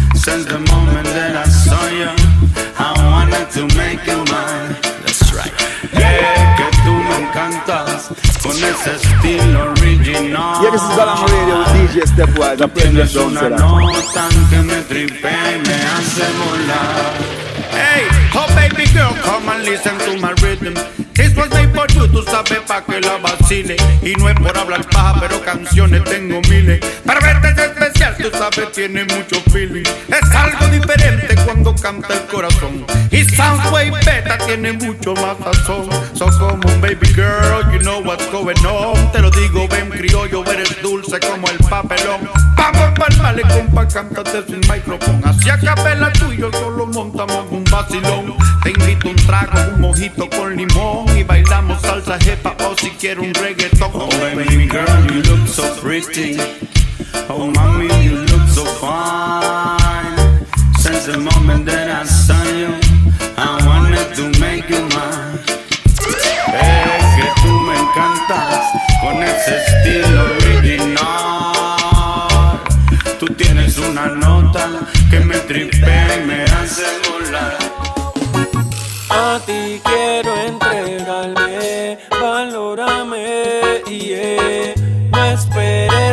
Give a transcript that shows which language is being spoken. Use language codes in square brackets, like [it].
[en] Since the moment that I saw you, I wanted to make you mine. That's right. [es] Yeah, que tú me encantas con ese estilo original. [en] Yeah, this is Galán Radio. Hey, oh baby girl, come and listen to my rhythm. This was made for you, [es] tú sabes pa' que la vacile. Y no es por hablar paja, pero canciones tengo miles. Pero este es especial, tú sabes, tiene mucho feeling. Es algo diferente cuando canta el corazón. Y Soundway Beta tiene mucho más sazón. [en] So come on, baby girl, you know what's going on. [es] Te lo digo, ven criollo, eres dulce como el papelón. Vamos pa'l vale, compa, cántate sin micrófono. Así a capela tú y yo solo montamos un vacilón. Te invito un trago, un mojito con limón. Y bailamos salsa jepa o si quiero un reggaeton. [en] Oh baby girl, you look so pretty. Oh mommy, you look so fine. Since the moment that I saw you, I wanted to make you mine. [es] Es que tú me encantas con ese estilo original. Tú tienes una nota que me tripea y me hace volar. A ti quiero entregarme, valórame, yeah. No esperes